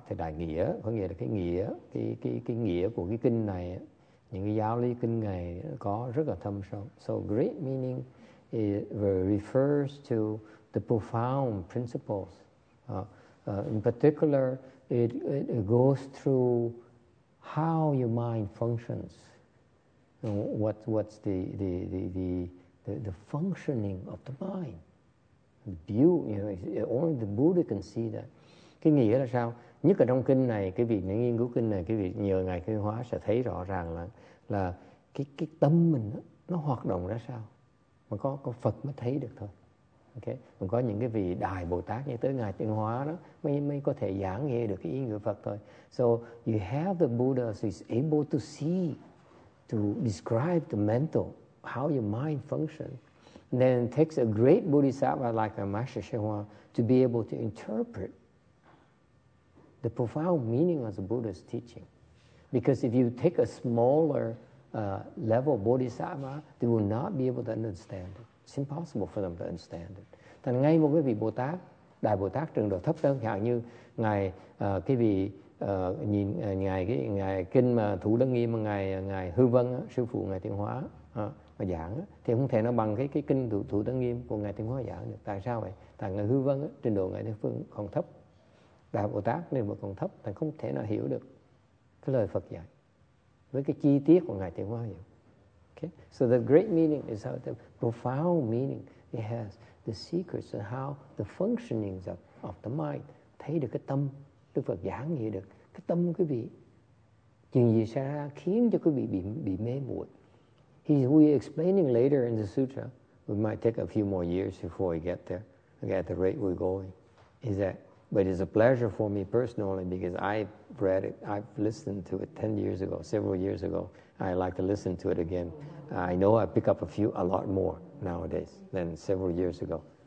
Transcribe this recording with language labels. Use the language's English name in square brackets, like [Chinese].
[Vietnamese] Thì đại nghĩa có nghĩa là cái nghĩa của cái kinh này. Những cái giáo lý kinh này có rất là thâm sâu. [English] So great meaning refers to the profound principles. In particular, it goes through how your mind functions. What's the functioning of the mind? The beauty, only the Buddha can see that. [Vietnamese] Cái nghĩa là sao? Nhất ở trong kinh này, cái việc nghiên cứu kinh này, cái việc nhờ ngài khai hóa sẽ thấy rõ ràng là cái tâm mình nó hoạt động ra sao mà có Phật mới thấy được thôi. Ok, còn có những cái vị đại Bồ Tát như tới ngài Tuyên Hóa đó mới có thể giảng nghe được cái ý nghĩa Phật thôi. [English] So you have the Buddha who is able to see, to describe the mental, how your mind functions. Then it takes a great bodhisattva like a Master Shenhua to be able to interpret the profound meaning of the Buddha's teaching. Because if you take a smaller level bodhisattva, they will not be able to understand it. It's impossible for them to understand it. [Vietnamese] Thành ngay một cái vị Bồ Tát, đại Bồ Tát trình độ thấp hơn, chẳng như ngài cái vị nhìn ngài cái ngài kinh mà Thủ Lăng Nghiêm mà ngài Hư Vân sư phụ ngài Tiên Hóa mà giảng thì không thể nó bằng cái kinh Thủ Lăng Nghiêm của ngài Tiên Hóa giảng được. Tại sao vậy? Tại ngài Hư Vân trình độ ngài Tiên Phương còn thấp, đại Bồ Tát nên mà còn thấp, thì không thể nào hiểu được cái lời Phật dạy với cái chi tiết của ngài Tiên Hóa vậy. [English] Okay, so the great meaning is how the profound meaning it has, the secrets and how the functionings of the mind. [Vietnamese] Thấy được cái tâm Đức Phật giảng nghĩa được cái tâm quý vị, chuyện gì xảy ra khiến cho quý vị bị mê muội. [English] We're explaining later in the sutra, we might take a few more years before we get there, okay, at the rate we're going, is that, but it's a pleasure for me personally because I've read it, I've listened to it 10 years ago, several years ago. I like to listen to it again. I know I pick up a lot more nowadays than several years ago.